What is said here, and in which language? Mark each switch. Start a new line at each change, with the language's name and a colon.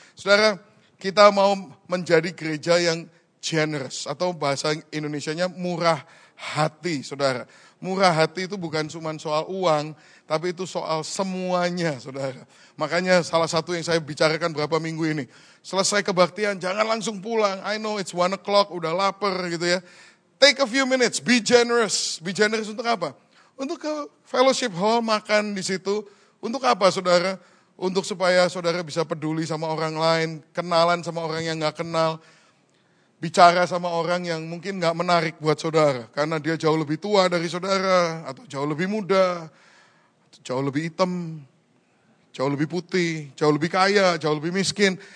Indonesian: Saudara, kita mau menjadi gereja yang generous, atau bahasa Indonesianya murah hati, saudara. Murah hati itu bukan cuma soal uang, tapi itu soal semuanya, saudara. Makanya salah satu yang saya bicarakan beberapa minggu ini, selesai kebaktian, jangan langsung pulang.
English: I know it's 1 o'clock, udah lapar gitu ya. Take a few minutes, be generous.
Indonesian: Be generous untuk apa? Untuk ke fellowship hall, makan di situ. Untuk apa, saudara? Untuk supaya saudara bisa peduli sama orang lain, kenalan sama orang yang gak kenal, bicara sama orang yang mungkin gak menarik buat saudara, karena dia jauh lebih tua dari saudara, atau jauh lebih muda, jauh lebih hitam, jauh lebih putih, jauh lebih kaya, jauh lebih miskin.